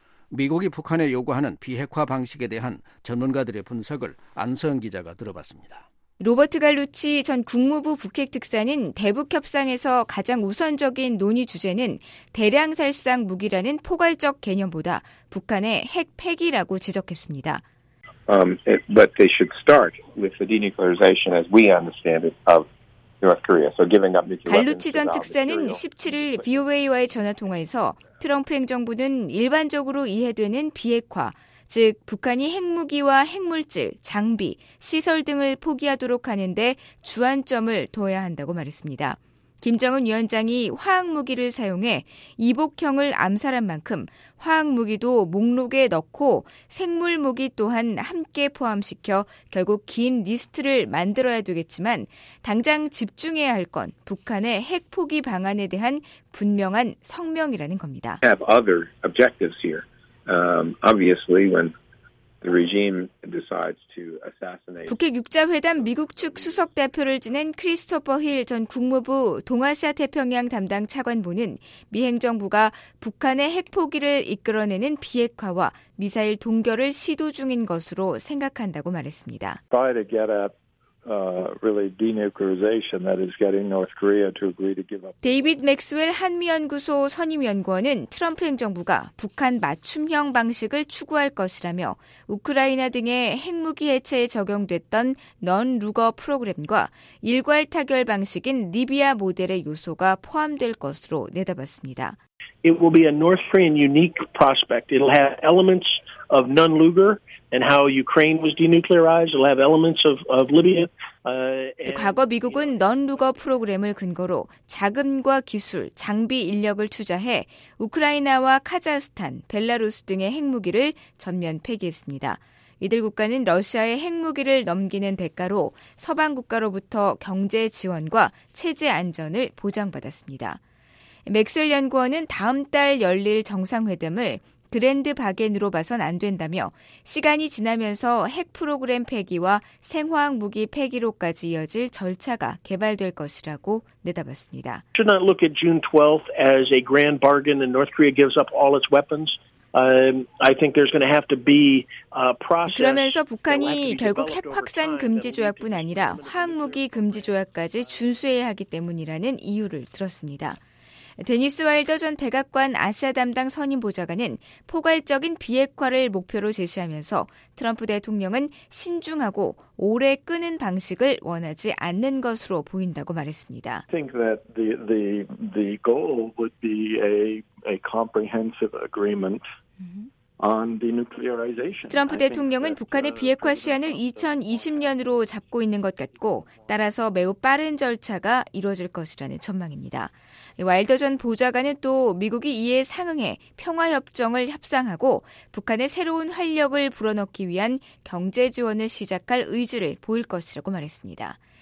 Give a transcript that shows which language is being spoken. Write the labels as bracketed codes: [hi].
[ko] 미국이 북한에 요구하는 비핵화 방식에 대한 전문가들의 분석을 안서은 기자가 들어봤습니다. 로버트 갈루치 전 국무부 북핵특사는 대북협상에서 가장 우선적인 논의 주제는 대량살상 무기라는 포괄적 개념보다 북한의 핵 폐기라고 지적했습니다. [en] But they should start with the denuclearization as we understand it of North Korea. So giving up nuclear. [ko] 갈루치 전 특사는 17일 VOA와의 전화 통화에서 트럼프 행정부는 일반적으로 이해되는 비핵화, 즉 북한이 핵무기와 핵물질, 장비, 시설 등을 포기하도록 하는데 주안점을 둬야 한다고 말했습니다. 김정은 위원장이 화학무기를 사용해 이복형을 암살한 만큼 화학무기도 목록에 넣고 생물무기 또한 함께 포함시켜 결국 긴 리스트를 만들어야 되겠지만 당장 집중해야 할 건 북한의 핵포기 방안에 대한 분명한 성명이라는 겁니다. [en] We have other objectives here. Obviously, when the regime decides to assassinate. [ko] 북핵 6자회담 미국 측 수석 대표를 지낸 크리스토퍼 힐 전 국무부 동아시아 태평양 담당 차관보는 미 행정부가 북한의 핵포기를 이끌어내는 비핵화와 미사일 동결을 시도 중인 것으로 생각한다고 말했습니다. [en] Try to get at really denuclearization that is getting North Korea to agree to give up. [ko] 데이비드 맥스웰 한미연구소 선임연구원은 트럼프 행정부가 북한 맞춤형 방식을 추구할 것이라며 우크라이나 등의 핵무기 해체에 적용됐던 넌 루거 프로그램과 일괄 타결 방식인 리비아 모델의 요소가 포함될 것으로 내다봤습니다. [en] It will be a North Korean unique prospect. It'll have elements of nun Luger and how Ukraine was denuclearized. It'll have elements of Libya. [ko] 과거 미국은 넌 루거 프로그램을 근거로 자금과 기술, 장비 인력을 투자해 우크라이나와 카자흐스탄, 벨라루스 등의 핵무기를 전면 폐기했습니다. 이들 국가는 러시아의 핵무기를 넘기는 대가로 서방 국가로부터 경제 지원과 체제 안전을 보장받았습니다. 맥스웰 연구원은 다음 달 열릴 정상회담을 그랜드 바겐으로 봐선 안 된다며 시간이 지나면서 핵 프로그램 폐기와 생화학 무기 폐기로까지 이어질 절차가 개발될 것이라고 내다봤습니다. [en] Should not look at June 12th as a grand bargain and North Korea gives up all its weapons. I think there's going to have to be a process. [ko] 그러면서 북한이 결국 핵 확산 금지 조약뿐 아니라 화학 무기 금지 조약까지 준수해야 하기 때문이라는 이유를 들었습니다. 데니스 와일더 전 백악관 아시아 담당 선임 보좌관은 포괄적인 비핵화를 목표로 제시하면서 트럼프 대통령은 신중하고 오래 끄는 방식을 원하지 않는 것으로 보인다고 말했습니다. [en] I think that the goal would be a comprehensive agreement. On denuclearization. [ko] 트럼프 대통령은 북한의 비핵화 시한을 2020년으로 잡고 있는 것 같고 따라서 매우 빠른 절차가 이루어질 것이라는 전망입니다. 와일더 전 보좌관은 또 미국이 이에 상응해 평화협정을 협상하고 북한의 새로운 활력을 불어넣기 위한 경제 지원을 시작할 의지를 보일 것이라고 말했습니다.